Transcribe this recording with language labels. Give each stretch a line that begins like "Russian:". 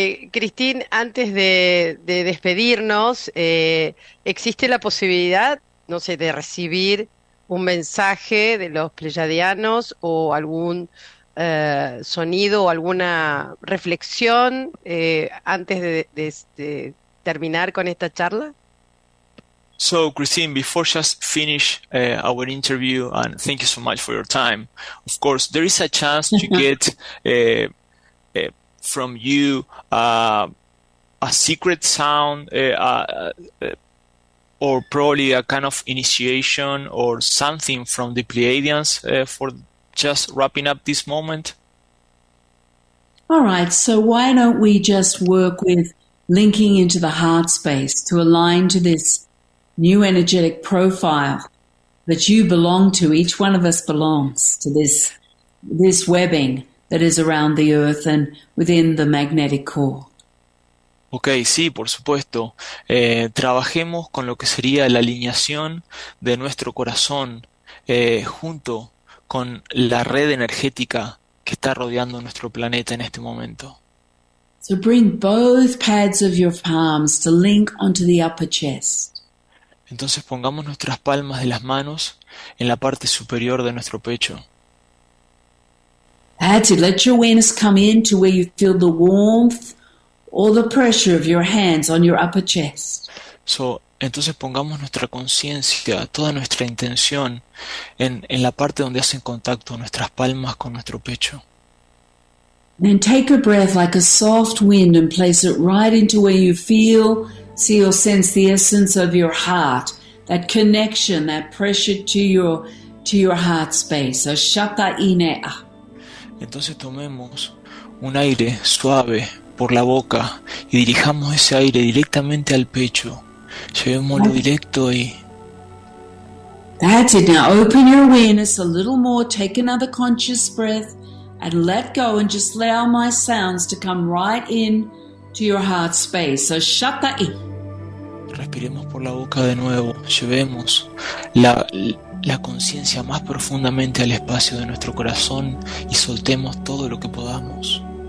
Spanish: Christine, antes de despedirnos, ¿existe la posibilidad, no sé, de recibir un mensaje de los pleyadianos o algún sonido o alguna reflexión antes de terminar con esta charla?
English: So, Christine, before just finish our interview, and thank you so much for your time, of course, there is a chance to get from you a secret sound or probably a kind of initiation or something from the Pleiadians for just wrapping up this moment. All right, so why don't we just work with linking into the heart space to align to this new energetic profile that you belong to? Each one of us belongs to this webbing that is around the earth and within the magnetic core.
Spanish: Okay, sí, por supuesto. Trabajemos con lo que sería la alineación de nuestro corazón junto con la red energética que está rodeando nuestro planeta en este momento.
English: So bring both pads of your palms to link onto the upper chest.
Spanish: Entonces pongamos nuestras palmas de las manos en la parte superior de nuestro pecho.
English: That's it. Let your awareness come in to where you feel the warmth or the pressure of your hands on your upper chest.
Spanish: So, entonces pongamos nuestra conciencia, toda nuestra intención en la parte donde hacen contacto nuestras palmas con nuestro pecho.
English: Then take a breath like a soft wind and place it right into where you feel, see or sense the essence of your heart, that connection, that pressure to your heart space. So shata ine'a.
Spanish: Entonces tomemos un aire suave por la boca y dirijamos ese aire directamente al pecho. Llevémoslo directo ahí.
English: That's it. Now open your awareness a little more. Take another conscious breath and let go and just allow my sounds to come right in to your heart space. So shut that in.
Spanish: Respiremos por la boca de nuevo. Llevemos la conciencia más profundamente al espacio de nuestro corazón y soltemos todo lo que podamos.